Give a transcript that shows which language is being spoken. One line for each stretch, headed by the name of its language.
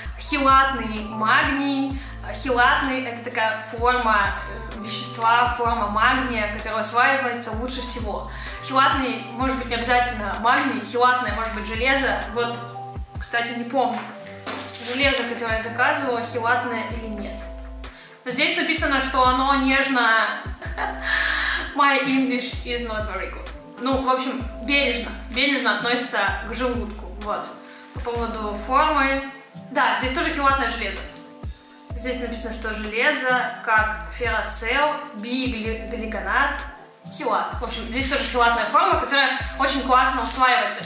Russian: Хилатный магний. Хилатный – это такая форма вещества, форма магния, которая усваивается лучше всего. Хилатный, может быть, не обязательно магний, хилатное, может быть, железо. Вот, кстати, не помню, железо, которое я заказывала, хилатное или нет. Но здесь написано, что оно нежно...
English: My English is not very good.
Russian: Ну, в общем, бережно. Бережно относится к желудку. Вот. По поводу формы. Да, здесь тоже хилатное железо. Здесь написано, что железо, как ферроцел, бигликонат, хилат. В общем, здесь тоже хилатная форма, которая очень классно усваивается.